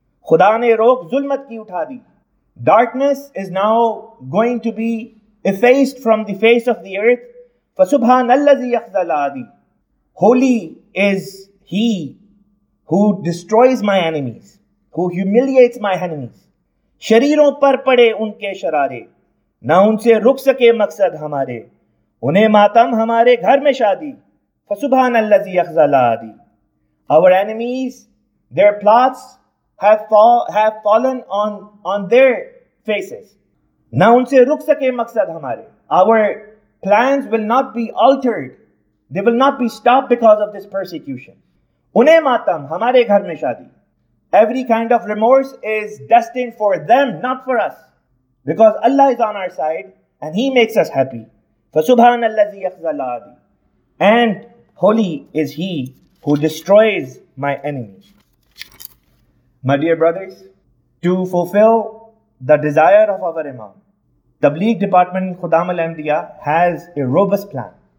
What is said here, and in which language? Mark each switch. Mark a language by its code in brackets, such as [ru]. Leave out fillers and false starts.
[ur] خدا نے روک ظلمت کی اٹھا دی. [en] Darkness is now going to be effaced from the face of the earth. [ar] فسبحان الذي يخزل عادی. [en] Holy is he who destroys my enemies, who humiliates my enemies. [ur] شریروں پر پڑے ان کے شرارے نہ ان سے رک سکے مقصد ہمارے انہیں ماتم ہمارے گھر میں شادی [ar] فسبحان الذی اخزا العادی. [en] Our enemies, their plots have fallen on their faces. [ur] نہ ان سے رک سکے مقصد ہمارے. [en] Our plans will not be altered. They will not be stopped because of this persecution. [ur] انہیں ماتم ہمارے گھر میں شادی. [en] Every kind of remorse is destined for them, not for us. Because Allah is on our side and He makes us happy. [ar] فَسُبْحَانَ الَّذِي يَخْزَى الْعَادِ. [en] And holy is He who destroys my enemies. My dear brothers, to fulfill the desire of our Imam, Tabligh Department Khudam Al-Ahmadiyya has a robust plan.